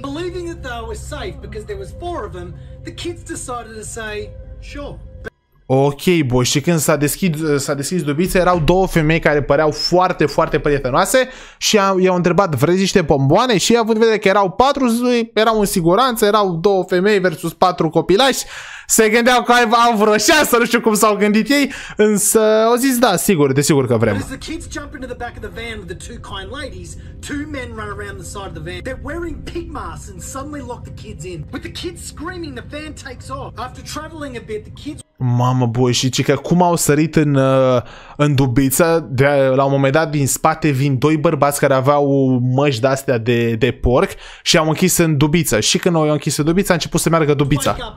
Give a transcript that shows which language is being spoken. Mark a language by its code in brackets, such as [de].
[en] Believing that they were safe because there was four of them, the kids decided to say, sure. [ro] Ok, boy, și când s-a deschis dubița, erau două femei care păreau foarte, foarte prietenoase și i-au întrebat, vreți niște bomboane? Și i-a avut vedere că erau patru, erau în siguranță, erau două femei versus patru copilași. Se gândeau că au vreo șansă, nu știu cum s-au gândit ei, însă au zis da, sigur, desigur că vrem. [en] As the kids jump into the back of the van with the two kind ladies, two men run around the side of the van. They're wearing pig masks and suddenly lock the kids in. With the kids screaming, the van takes off. After traveling a bit, the kids... [ro] Mamă, boi, și cică, cum au sărit în dubiță, la un moment dat din spate vin doi bărbați care aveau măști de-astea de porc și au închis în dubiță. Și când au închis în dubiță, a început să meargă dubița.